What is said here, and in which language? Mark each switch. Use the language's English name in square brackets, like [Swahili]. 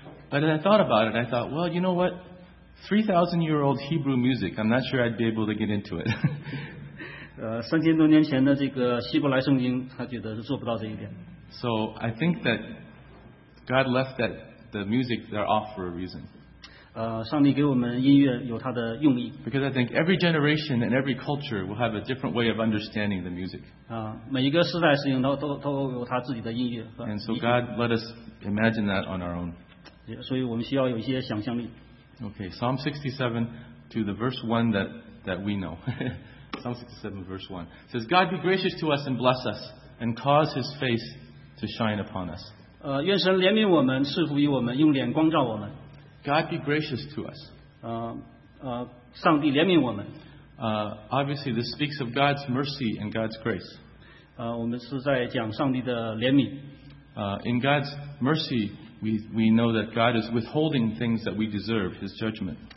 [English] But as I thought about it, I thought, well, you know what? 3,000-year-old Hebrew music, I'm not sure I'd be able to get into it. [Chinese] 3,000多年前的这个希伯来圣经，他觉得是做不到这一点。 [English] So I think that God left the music there off for a reason. [Chinese] 上帝给我们音乐有他的用意。 [English] Because I think every generation and every culture will have a different way of understanding the music. [Chinese] 每一个世代使用都有他自己的音乐。 [English] And so God let us imagine that on our own. [Chinese] 所以我们需要有一些想象力。 [English] Okay, Psalm 67 to the verse 1 that we know. Psalm 67 verse 1. It says, God be gracious to us and bless us and cause his face to shine upon us. [Chinese] 愿神怜悯我们，赐福于我们，用脸光照我们。 [English] God be gracious to us. [Chinese] 上帝怜悯我们。 [English] Obviously, this speaks of God's mercy and God's grace. [Chinese] 我们是在讲上帝的怜悯。 [English] In God's mercy, we know that God is withholding things that we deserve, His judgment.